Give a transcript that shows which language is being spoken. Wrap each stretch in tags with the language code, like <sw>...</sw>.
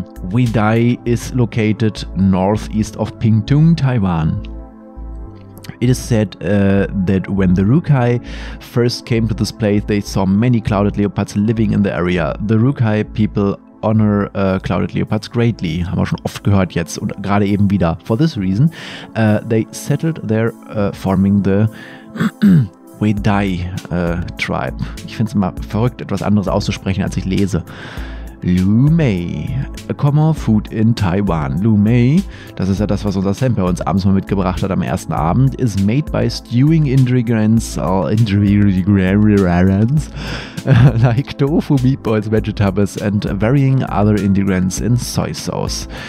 <en>Wedai is located northeast of Pingtung, Taiwan. It is said that when the Rukai first came to this place, they saw many clouded leopards living in the area. The Rukai people honor clouded leopards greatly.</en> <de>Haben wir schon oft gehört jetzt und gerade eben wieder.</de> <en>For this reason, they settled there forming the... Wedai Tribe.</en> <de>Ich finde es immer verrückt, etwas anderes auszusprechen, als ich lese.</de> <en>Lu Mei. A common food in Taiwan. Lu Mei,</en> <de>das ist ja das, was unser Sam bei uns abends mal mitgebracht hat am ersten Abend,</de> <en>is made by stewing ingredients like tofu, meatballs, vegetables and varying other ingredients in soy sauce.</en>